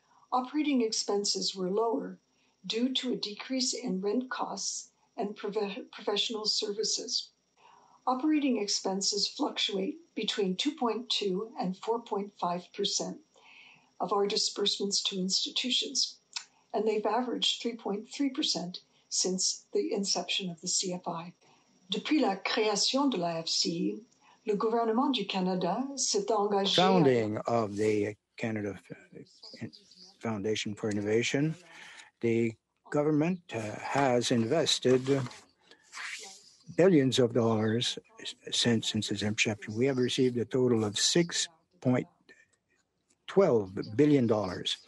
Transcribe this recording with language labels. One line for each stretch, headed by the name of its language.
English: Operating expenses were lower due to a decrease in rent costs and professional services. Operating expenses fluctuate between 2.2 and 4.5% of our disbursements to institutions, and they've averaged 3.3% since the inception of the CFI.
French: Depuis la création de la FCI, le gouvernement du Canada s'est engagé...
English: Founding of the Canada Foundation for Innovation, the government has invested billions of dollars since its inception. We have received a total of $6.12 billion.